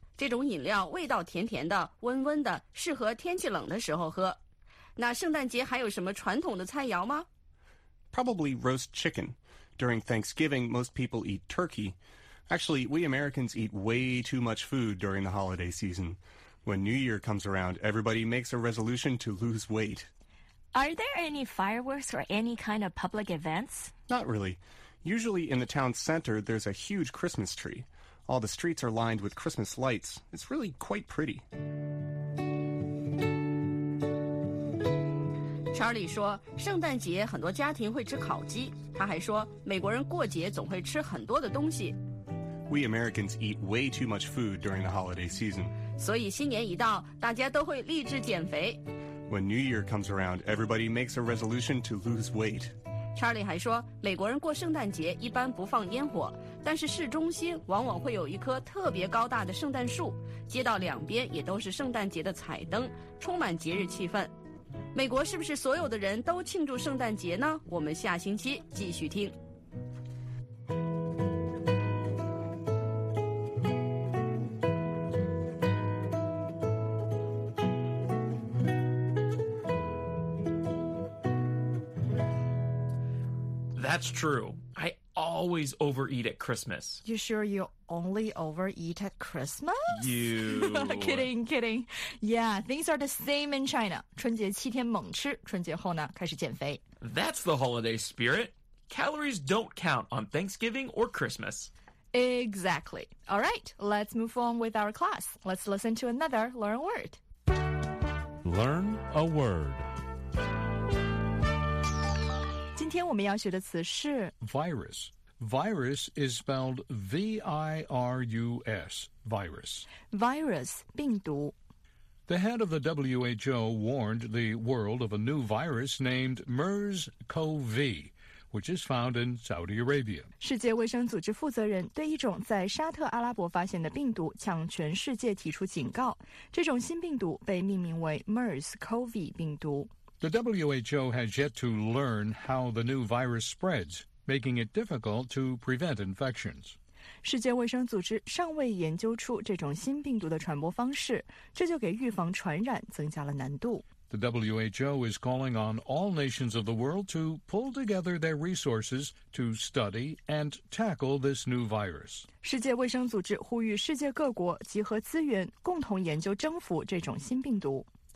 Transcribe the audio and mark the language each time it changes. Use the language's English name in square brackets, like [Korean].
[Chinese] 这种饮料味道甜甜的，温温的，适合天气冷的时候喝。那圣诞节还有什么传统的菜肴吗？ [English] Probably roast chicken. During Thanksgiving, most people eat turkey. Actually, we Americans eat way too much food during the holiday season. When New Year comes around, everybody makes a resolution to lose weight. Are there any fireworks or any kind of public events? Not really. Usually in the town center, there's a huge Christmas tree. All the streets are lined with Christmas lights. It's really quite pretty. [Chinese] Charlie 说，圣诞节很多家庭会吃烤鸡。他还说，美国人过节总会吃很多的东西。 [English] We Americans eat way too much food during the holiday season. [Chinese] 所以新年一到，大家都会立志减肥。 [English] When New Year comes around, everybody makes a resolution to lose weight. [Chinese] Charlie 还说，美国人过圣诞节一般不放烟火，但是市中心往往会有一棵特别高大的圣诞树，街道两边也都是圣诞节的彩灯，充满节日气氛。美国是不是所有的人都庆祝圣诞节呢？我们下星期继续听。 [English] That's true. I always overeat at Christmas. You sure you only overeat at Christmas? You. kidding, kidding. Yeah, things are the same in China. [Chinese] 春节七天猛吃,春节后呢,开始减肥。 [English] That's the holiday spirit. Calories don't count on Thanksgiving or Christmas. Exactly. All right, let's move on with our class. Let's listen to another Learn Word. Learn a word. [Chinese] 今天我们要学的词是 [English] virus. Virus is spelled V-I-R-U-S, virus. Virus, [Chinese] 病毒. [English] The head of the WHO warned the world of a new virus named MERS-CoV, which is found in Saudi Arabia. [Chinese] 世界卫生组织负责人对一种在沙特阿拉伯发现的病毒向全世界提出警告。这种新病毒被命名为 MERS-CoV 病毒。 [English] The WHO has yet to learn how the new virus spreads, making it difficult to prevent infections. [Chinese] 世界卫生组织尚未研究出这种新病毒的传播方式，这就给预防传染增加了难度。 [English] The WHO is calling on all nations of the world to pull together their resources to study and tackle this new virus. [Chinese] 世界卫生组织呼吁世界各国集合资源，共同研究征服这种新病毒。